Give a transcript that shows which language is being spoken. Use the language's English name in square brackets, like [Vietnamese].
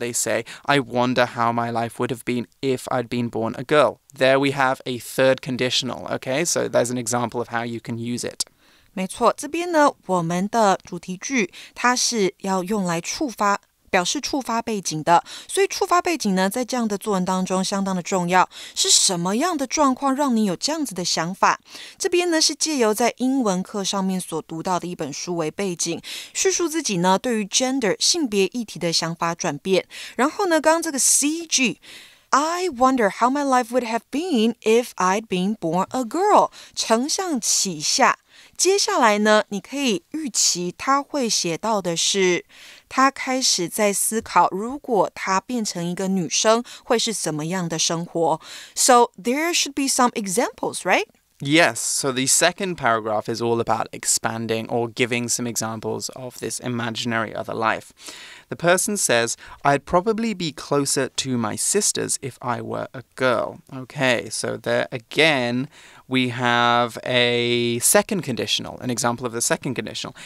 [English] They say, I wonder how my life would have been if I'd been born a girl. There we have a third conditional, okay? So there's an example of how you can use it. [Chinese] 没错，这边呢，我们的主题句，它是要用来触发表示触发背景的，所以触发背景呢，在这样的作文当中相当的重要。是什么样的状况让你有这样子的想法？这边呢，是借由在英文课上面所读到的一本书为背景，叙述自己呢，对于 gender 性别议题的想法转变。然后呢，刚刚这个 [English] CG，I wonder how my life would have been if I'd been born a girl. [Chinese] 承上启下。接下来呢，你可以预期他会写到的是，他开始在思考，如果他变成一个女生，会是怎么样的生活。 [English] So there should be some examples, right? Yes, so the second paragraph is all about expanding or giving some examples of this imaginary other life. The person says, I'd probably be closer to my sisters if I were a girl. Okay, so there again, we have a second conditional, an example of the second conditional.